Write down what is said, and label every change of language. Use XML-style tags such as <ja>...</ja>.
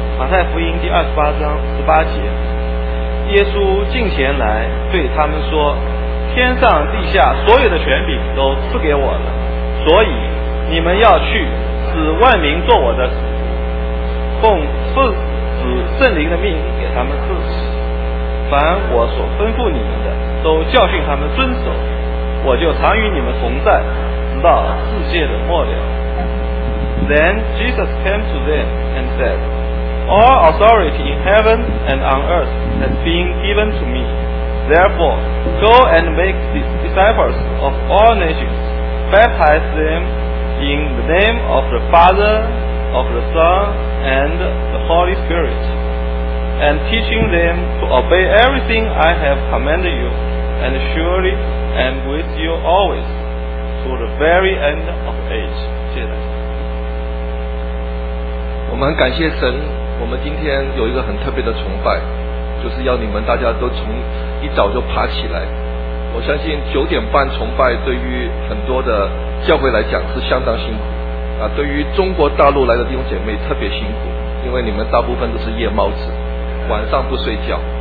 <zh>太福音第28:18，耶稣近前来对他们说，天上地下所有的权柄都赐给我了，所以你们要去，使万民做我的使徒，奉父子圣灵的命给他们赐死，凡我所吩咐你们的都教训他们遵守，我就常与你们同在，直到世界的末了。</zh> <en>Then Jesus came to them and said, All authority in heaven and on earth has been given to me. Therefore, go and make disciples of all nations, baptize them in the name of the Father, of the Son, and the Holy Spirit, and teaching them to obey everything I have commanded you, and surely I am with you always, to the very end of age.</en> <zh>谢谢。我们感谢神，我们今天有一个很特别的崇拜，就是要你们大家都从一早就爬起来。我相信9:30崇拜对于很多的教会来讲是相当辛苦啊，对于中国大陆来的弟兄姐妹特别辛苦，因为你们大部分都是夜猫子，晚上不睡觉。</zh>